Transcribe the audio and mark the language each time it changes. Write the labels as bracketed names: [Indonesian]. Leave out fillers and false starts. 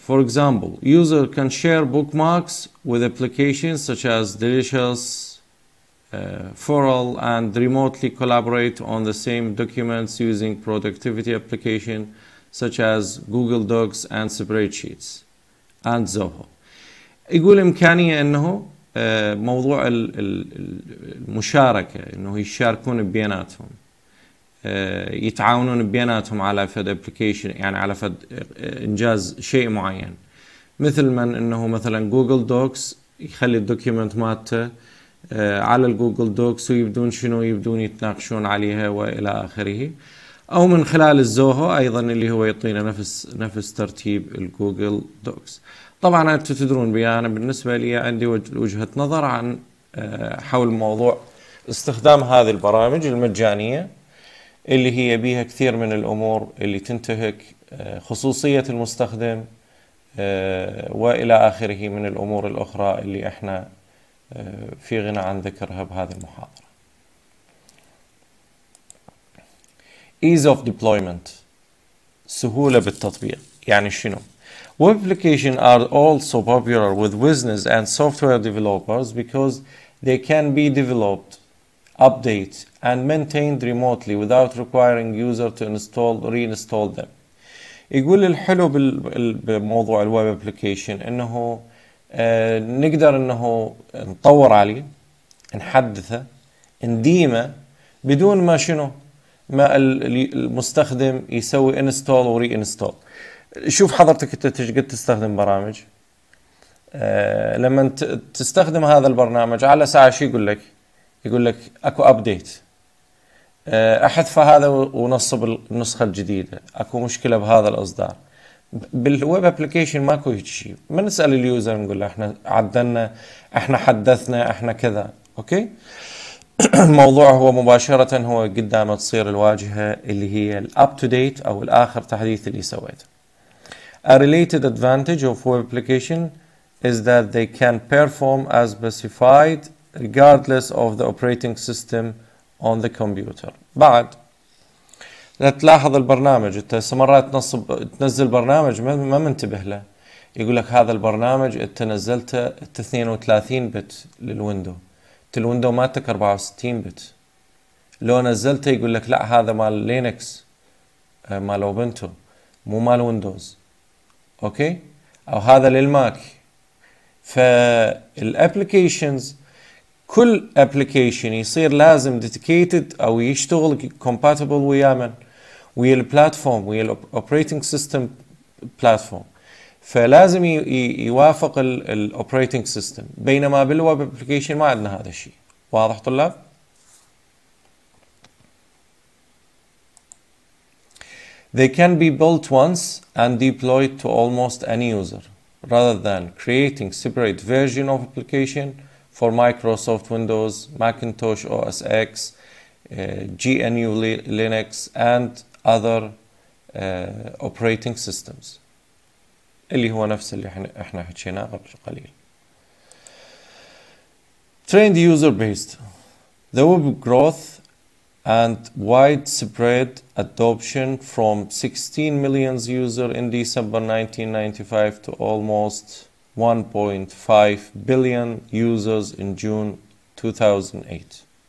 [English] For example, user can share bookmarks with applications such as Delicious, Foral, and remotely collaborate on the same documents using productivity application such as Google Docs and spreadsheets and Zoho. [Arabic] يقول إمكانية أنه موضوع المشاركة، أنه يشاركون بيناتهم، يتعاونون بيناتهم على فد application، يعني على فد إنجاز شيء معين، مثل من أنه مثلا Google Docs يخلي الدوكيمنت مالته على الجوجل دوكس ويبدون شنو يبدون يتناقشون عليها وإلى آخره، أو من خلال الزوهو أيضا اللي هو يعطينا نفس ترتيب الجوجل دوكس. طبعا أنتوا تدرون بي، أنا بالنسبة لي عندي وجهة نظر عن حول موضوع استخدام هذه البرامج المجانية اللي هي بيها كثير من الأمور اللي تنتهك خصوصية المستخدم وإلى آخره من الأمور الأخرى اللي إحنا في غنى عن ذكرها بهذه المحاضرة. [English] Ease of deployment، [Arabic] سهولة بالتطبيق. يعني شنو؟ [English] Web applications are also popular with business and software developers because they can be developed, updated and maintained remotely without requiring user to install or reinstall them. [Arabic] يقول الحلو بموضوع الويب ابلكيشن انه نقدر انه نطور عليه، نحدثه، نديمه بدون ما شنو ما المستخدم يسوي انستول وري انستول. شوف حضرتك انت ايش قد تستخدم برامج، لما تستخدم هذا البرنامج على ساعة شو يقول لك؟ يقول لك اكو ابديت، احذف هذا ونصب النسخة الجديدة، اكو مشكلة بهذا الاصدار. بالويب ابلكيشن ماكو هيك شيء، ما نسأل اليوزر نقول له احنا عدلنا، احنا حدثنا، احنا كذا، اوكي؟ الموضوع هو مباشرة هو قدامه تصير الواجهة اللي هي الاب تو ديت او الاخر تحديث اللي سويته. [English] A related advantage of web application is that they can perform as specified regardless of the operating system on the computer. [Arabic] بعد لا تلاحظ البرنامج، انت مرات تنصب تنزل برنامج ما منتبه له، يقول لك هذا البرنامج انت نزلته 32 بت للويندو، الويندو ماتك 64 بت، لو نزلته يقول لك لا هذا مال لينكس مال اوبنتو مو مال ويندوز، اوكي، او هذا للماك. فالابلكيشنز كل ابلكيشن يصير لازم ديديكيتد او يشتغل كومباتبل ويا من ويا البلاتفورم ويا الاوبريتنج سيستم بلاتفورم، فلازم يوافق الاوبريتنج سيستم، بينما بالويب ابلكيشن ما عندنا هذا الشيء. واضح طلاب؟ [English] They can be built once and deployed to almost any user rather than creating separate version of application for Microsoft Windows, Macintosh OS X, GNU Linux and other operating systems. [Arabic] اللي هو نفس اللي احنا حكيناه قبل قليل. [English] Trained user based. The web growth and widespread adoption from 16 million users in December 1995 to almost 1.5 billion users in June 2008.